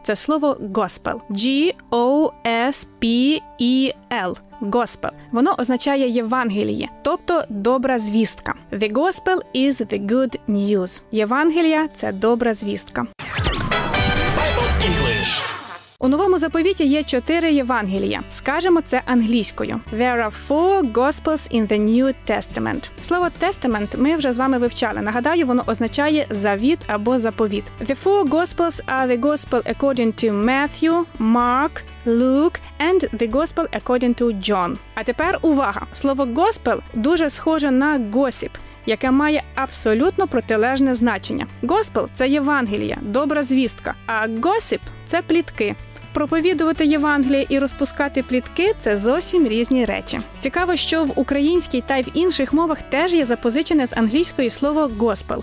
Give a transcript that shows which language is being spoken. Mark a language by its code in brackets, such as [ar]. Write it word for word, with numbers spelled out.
[uk] Це слово gospel. G-O-S-P-E-L. Gospel. Воно означає Євангеліє, тобто добра звістка. [en] The gospel is the good news. [uk] Євангелія – це добра звістка. [en] Bible English. [uk] У Новому Заповіті є чотири Євангелія. Скажемо це англійською. [en] There are four gospels in the New Testament. [uk] Слово «testament» ми вже з вами вивчали. Нагадаю, воно означає «завіт» або «заповіт». [en] The four gospels are the gospel according to Matthew, Mark, Luke and the gospel according to John. [uk] А тепер увага! Слово «gospel» дуже схоже на «gossip», яке має абсолютно протилежне значення. Gospel – це Євангелія, добра звістка, а «gossip» – це плітки. Проповідувати Євангеліє і розпускати плітки – це зовсім різні речі. Цікаво, що в українській та й в інших мовах теж є запозичене з англійської слово «gospel».